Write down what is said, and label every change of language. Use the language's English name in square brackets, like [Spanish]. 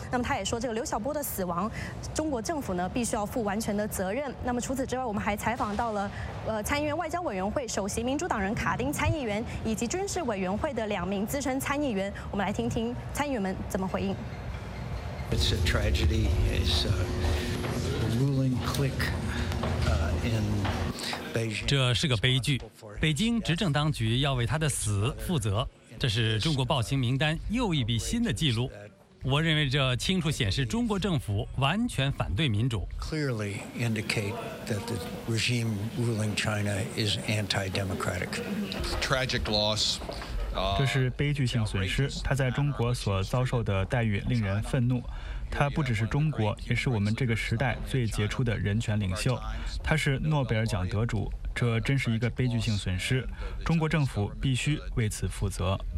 [Chinese] 那么他也说，这个刘晓波的死亡，中国政府呢必须要负完全的责任。那么除此之外，我们还采访到了参议院外交委员会首席民主党人卡丁参议员，以及军事委员会的两名资深参议员，我们来听听参议员们怎么回应。 [English] It's a tragedy. It's a ruling clique in Beijing. [Chinese] 这是个悲剧，北京执政当局要为他的死负责。这是中国暴行名单又一笔新的记录。我认为这清楚显示中国政府完全反对民主。 [English] Clearly indicate that the regime ruling China is anti-democratic. Tragic loss. [Chinese] 这是悲剧性损失，他在中国所遭受的待遇令人愤怒。他不只是中国，也是我们这个时代最杰出的人权领袖，他是诺贝尔奖得主，这真是一个悲剧性损失，中国政府必须为此负责。